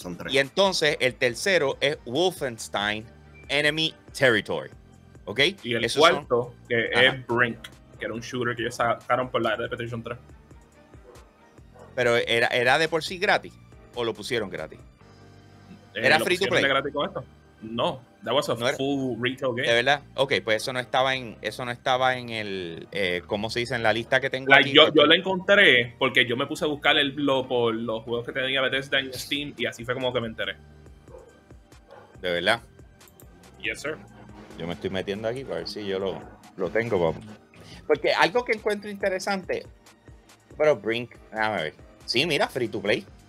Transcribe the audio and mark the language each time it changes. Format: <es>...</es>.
<es>Y entonces el tercero es Wolfenstein Enemy Territory. Ok. Y el esos cuarto, es Brink, que era un shooter que ellos sacaron por la era de PlayStation 3. Pero era de por sí gratis. ¿O lo pusieron gratis? ¿Era free to play?</es> <en>No, that was full retail game.</en> <es>¿De verdad? Ok, pues eso no estaba en el... ¿cómo se dice? En la lista que tengo aquí. Yo lo encontré porque yo me puse a buscar por los juegos que tenía Bethesda en Steam y así fue como que me enteré. ¿De verdad?</es> <en>Yes, sir.</en> <es>Yo me estoy metiendo aquí para ver si yo lo tengo. Porque algo que encuentro interesante... Pero Brink... Déjame ver. Sí, mira, free to play.</es>